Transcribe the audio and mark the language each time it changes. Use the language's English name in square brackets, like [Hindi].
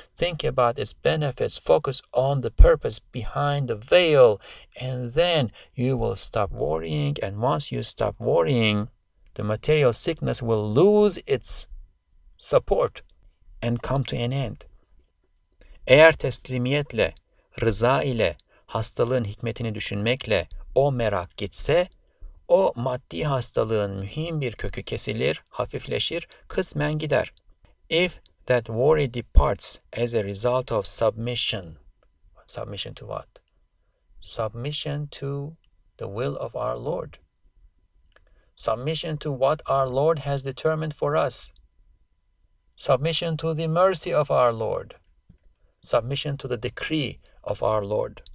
[English] Think about its benefits. Focus on the purpose behind the veil. And then you will stop worrying. And once you stop worrying, the material sickness will lose its support and come to an end. [Turkish] Eğer teslimiyetle, rıza ile, hastalığın hikmetini düşünmekle o merak gitse, o maddi hastalığın mühim bir kökü kesilir, hafifleşir, kısmen gider. [English] If that worry departs as a result of submission. Submission to what? Submission to the will of our Lord. Submission to what our Lord has determined for us. Submission to the mercy of our Lord. Submission to the decree of our Lord.